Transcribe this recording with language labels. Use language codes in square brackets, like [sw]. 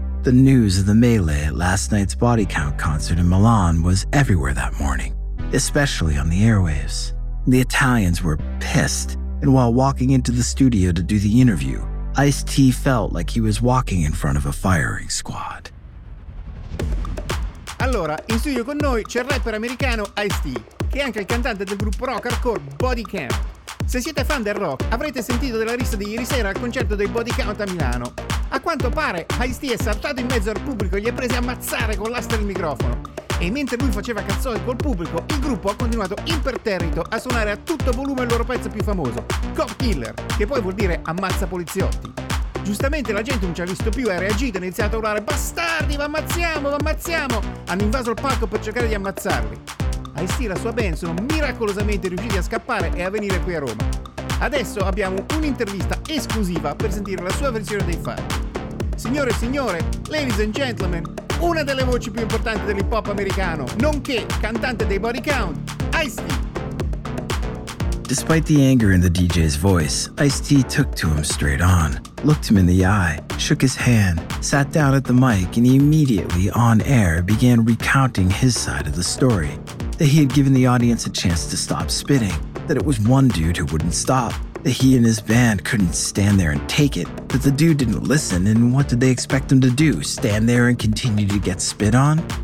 [en] The news of the melee at last night's Body Count concert in Milan was everywhere that morning, especially on the airwaves. The Italians were pissed. And while walking into the studio to do the interview, Ice-T felt like he was walking in front of a firing squad. [it] Allora, in studio con noi c'è il rapper americano Ice-T, che è anche il cantante del gruppo rock hardcore Body Count. Se siete fan del rock, avrete sentito della rissa di ieri sera al concerto dei Body Count a Milano. A quanto pare, Ice-T è saltato in mezzo al pubblico e gli ha presi a ammazzare con l'asta del microfono. E mentre lui faceva cazzoni col pubblico, il gruppo ha continuato imperterrito a suonare a tutto volume il loro pezzo più famoso, Cop Killer, che poi vuol dire ammazza poliziotti. Giustamente la gente non ci ha visto più, ha reagito e ha iniziato a urlare «Bastardi, v'ammazziamo!» Hanno invaso il palco per cercare di ammazzarli. Ice-T e la sua band sono miracolosamente riusciti a scappare e a venire qui a Roma. Adesso abbiamo un'intervista esclusiva per sentire la sua versione dei fatti. Signore e signore, [en] ladies and gentlemen, [it] una delle voci più importanti dell'hip hop americano, nonché cantante dei Body Count, Ice-T. [en] Despite the anger in the DJ's voice, Ice-T took to him straight on, looked him in the eye, shook his hand, sat down at the mic, and he immediately, on air, began recounting his side of the story. That he had given the audience a chance to stop spitting, that it was one dude who wouldn't stop, that he and his band couldn't stand there and take it, that the dude didn't listen, and what did they expect him to do, stand there and continue to get spit on?